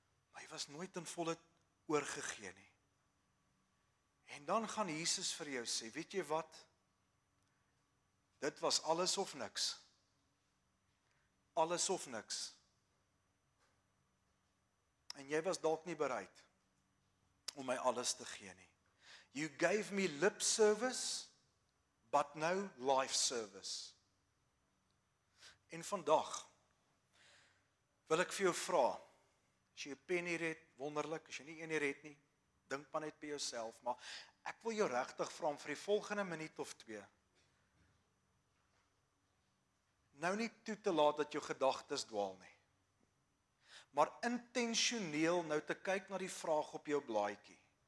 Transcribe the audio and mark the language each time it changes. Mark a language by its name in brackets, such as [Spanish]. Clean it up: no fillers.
[Afrikaans] Maar jy was nooit ten volle oorgegee nie. En dan gaan Jesus vir jou sê, weet jy wat? Dit was alles of niks. Alles of niks. En jy was dalk nie bereid om my alles te gee nie. [English] You gave me lip service, but no life service. [Afrikaans] En vandag, wil ek vir jou vra, as jy 'n pen hier het, wonderlik, as jy nie een hier het nie, dink maar net by jouself, maar ek wil jou regtig vra om vir die volgende minuut of twee, nou nie toe te laat dat jou gedagtes dwaal nie, maar intentioneel nou te kyk na die vraag op jou blaadjie.